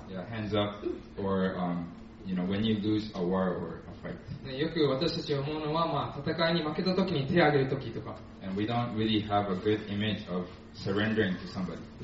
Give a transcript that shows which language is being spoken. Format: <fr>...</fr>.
<en>Hands up, or you know, when you lose a war or a fight.</en> <ja>よく私たち思うのは、まあ戦いに負けた時に手を挙げる時とか。</ja> <en>And we don't really have a good image of surrendering to somebody.</en>